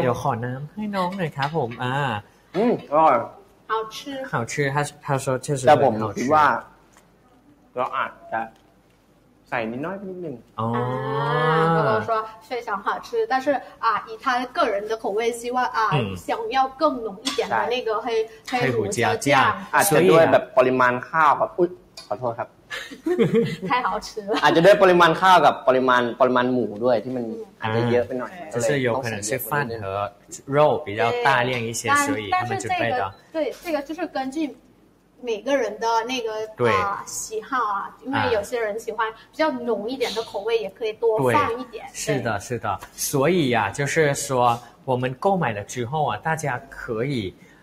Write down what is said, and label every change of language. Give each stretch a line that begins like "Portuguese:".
Thai: เดี๋ยวขอน้ำให้น้องหน่อยครับผม อร่อย
Chinese: 好吃好吃他说确实很好吃但我们觉得我们觉得
Thai: ใส่นิดน้อยนิดนึง
Chinese: อ๋อ高高说非常好吃但是啊以他个人的口味希望啊想要更浓一点的那个黑胡椒酱
Thai: อาจจะด้วยแบบปริมาณข้าวแบบอุ๊ยขอโทษครับ
Chinese: 太好吃了。
Thai: อาจจะด้วยปริมาณข้าวกับปริมาณหมูด้วยที่มันอาจจะเยอะไปหน่อย
Chinese: 就是有可能是饭和肉比较大量一些，所以他们准备的。对，这个就是根据每个人的那个喜好啊，因为有些人喜欢比较浓一点的口味，也可以多放一点。是的，是的。所以呀，就是说我们购买了之后啊，大家可以。